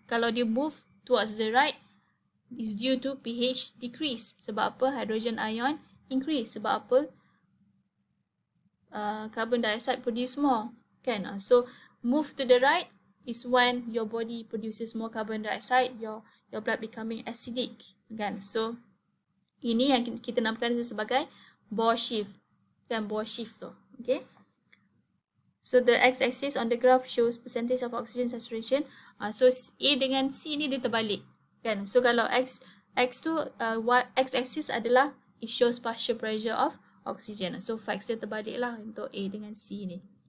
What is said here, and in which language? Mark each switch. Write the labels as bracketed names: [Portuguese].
[Malay] Kalau dia [English] move towards the right, is due to pH decrease. [Malay] Sebab apa? [English] Hydrogen ion increase. [Malay] Sebab apa? [English] Carbon dioxide produce more. Kan? So move to the right is when your body produces more carbon dioxide, your blood becoming acidic. [Malay] Kan? So ini yang kita namakan sebagai bore shift. Kan? Bore shift tu. Okay? [English] So the x-axis on the graph shows percentage of oxygen saturation. [Malay] So A dengan C ni dia terbalik. Kan? So kalau x-axis adalah [English] it shows partial pressure of oxygen. [Malay] So facts dia terbalik lah untuk A dengan C ni.